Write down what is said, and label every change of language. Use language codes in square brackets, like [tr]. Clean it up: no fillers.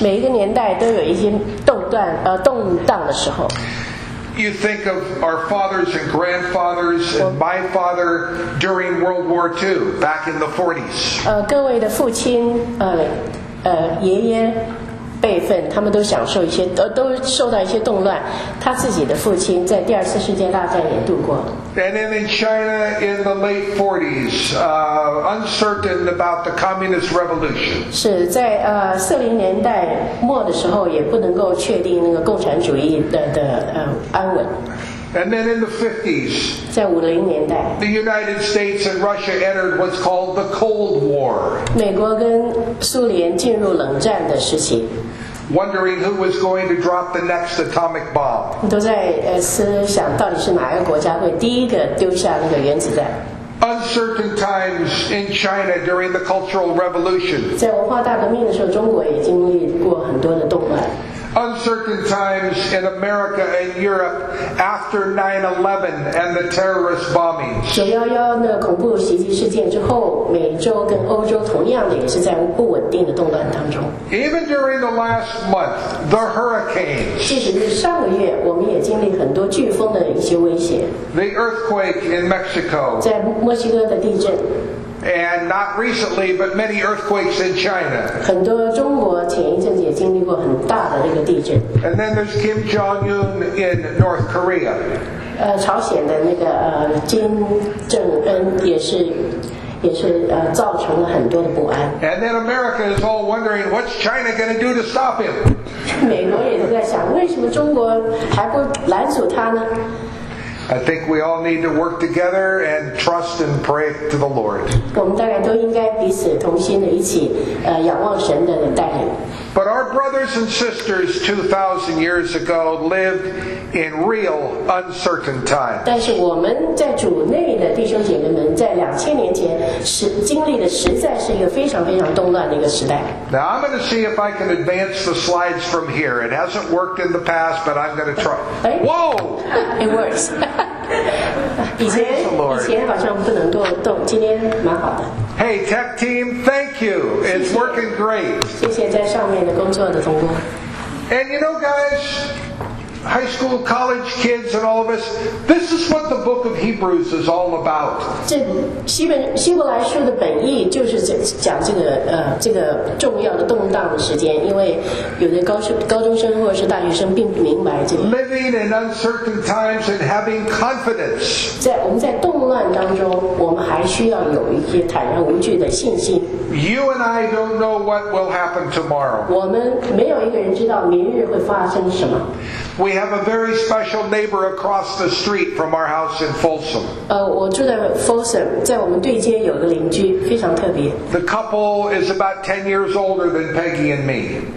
[zh] 每一个年代都有一些动荡的时候。 [en] You think of our fathers and grandfathers and my father during World War II, back in the 40s. [zh] 各位的父亲爷爷辈分，他们都享受一些都受到一些动乱。他自己的父亲在第二次世界大战也度过。 [en] And then in China in the late 40s, uncertain about the communist revolution. [zh] 是在四零年代末的时候，也不能够确定那个共产主义的安稳。 [en] And then in the 50s, [zh] 在五零年代 [en] the United States and Russia entered what's called the Cold War. [zh] 美国跟苏联进入冷战的时期 [en] wondering who was going to drop the next atomic bomb. [zh] 都在思想到底是哪个国家会第一个丢下那个原子弹。 [en] Uncertain times in China during the Cultural Revolution. [zh] 在文化大革命的时候，中国也经历过很多的动乱。 [en] Uncertain times in America and Europe after 9/11 and the terrorist bombings. [zh] 911那恐怖袭击事件之后，美洲跟欧洲同样的也是在不稳定的动乱当中。 [en] Even during the last month, the hurricanes. [zh] 即使是上个月，我们也经历很多飓风的一些威胁。 [en] The earthquake in Mexico. [zh] 在墨西哥的地震。 [en] And not recently, but many earthquakes in China. [zh] 很多中国前一阵子也经历过很大的这个地震。 [en] And then there's Kim Jong-un in North Korea. [zh] 朝鲜的那个金正恩也是造成了很多的不安。 [en] And then America is all wondering what's China going to do to stop him. [zh] 美国也是在想为什么中国还不拦阻他呢？ [en] I think we all need to work together and trust and pray to the Lord. [zh] 我们大概都应该彼此同心的一起，仰望神的带领。 [en] But our brothers and sisters 2,000 years ago lived in real uncertain times. [zh] 但是我们在主内的弟兄姐妹们在2000年前经历的实在是一个非常非常动乱的一个时代。 [en] Now I'm going to see if I can advance the slides from here. It hasn't worked in the past, but I'm going to try. Whoa! It works. [zh] 以前好像不能动，今天蛮好的。 [en] Hey, tech team, thank you. It's working great. [zh] 谢谢在上面的工作的同工。 [en] And you know, guys, high school, college kids, and all of us, this is what the book of Hebrews is all about. [zh] 这希伯来书的本意就是讲这个重要的动荡的时间，因为有的高中生或者是大学生并不明白这个。 [en] Living in uncertain times and having confidence. [zh] 在我们在动乱当中，我们还需要有一些坦然无惧的信心。 [en] You and I don't know what will happen tomorrow. [zh] 我们没有一个人知道明日会发生什么。 [en] We have a very special neighbor across the street from our house in Folsom. [zh] 我住在 Folsom， 在我们对街有个邻居，非常特别。 [en] The couple is about 10 years older than Peggy and me.